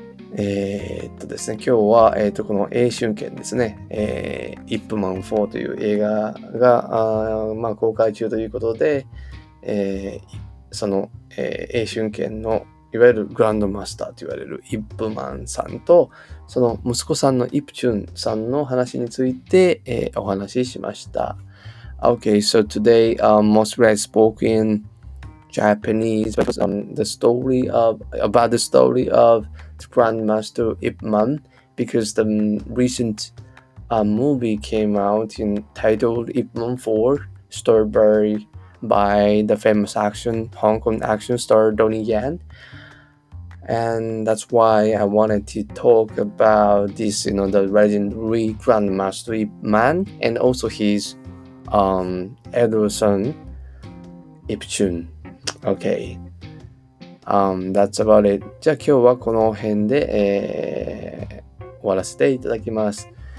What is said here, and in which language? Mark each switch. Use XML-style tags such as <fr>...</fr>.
<ja>ですね、今日は、この英春拳ですね、イップマン4という映画が、まあ、公開中ということで、その、英春拳のいわゆるグランドマスターと言われるイップマンさんと、その息子さんのイプチュンさんの話について、お話ししました。</ja> <en>Okay, so today, mostly I spoke in Japanese because, about the story of the Grandmaster Ip Man, because the recent movie came out titled Ip Man 4, starred by the famous Hong Kong action star Donnie Yen. And that's why I wanted to talk about this, you know, the legendary Grandmaster Ip Man and also his elder son, Ip Chun. Okay. That's about it.</en> <ja>じゃあ今日はこの辺で、終わらせていただきます。</ja>